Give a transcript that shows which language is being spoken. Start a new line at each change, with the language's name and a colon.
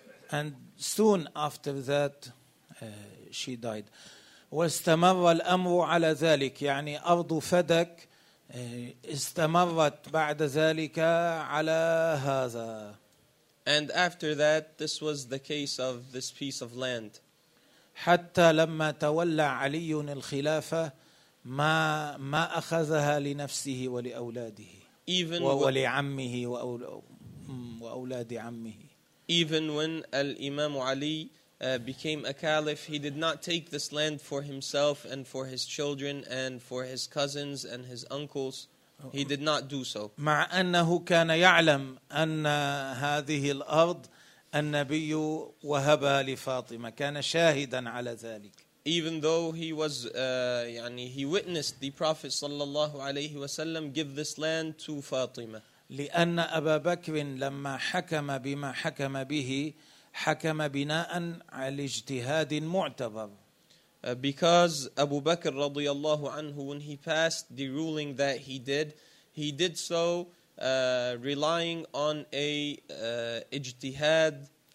English: Yeah. And soon after that, she died.
Arabic: واستمر الأمر على ذلك. يعني أرض فدك استمرت بعد ذلك على هذا.
English: And after that, this was the case of this piece of land.
Arabic: حتى لما تولى علي الخلافة ما أخذها لنفسه ولأولاده ولعمه وأولاد عمه.
English: Even when Imam Ali became a caliph, he did not take this land for himself and for his children and for his cousins and his uncles. He did not do so.
Arabic: مع أنه كان يعلم أن هذه الأرض النبي وهبها لفاطمة كان شاهدا على ذلك.
English: Even though he was he witnessed the Prophet
Arabic: صلى الله عليه وسلم
English: give this land to Fatima.
Arabic: لأن أبا بكر لما حكم بما حكم به حكم بناء على اجتهاد معتبر.
English: Because Abu Bakr
Arabic: رضي الله عنه,
English: when he passed the ruling that he did so relying on a ijtihad,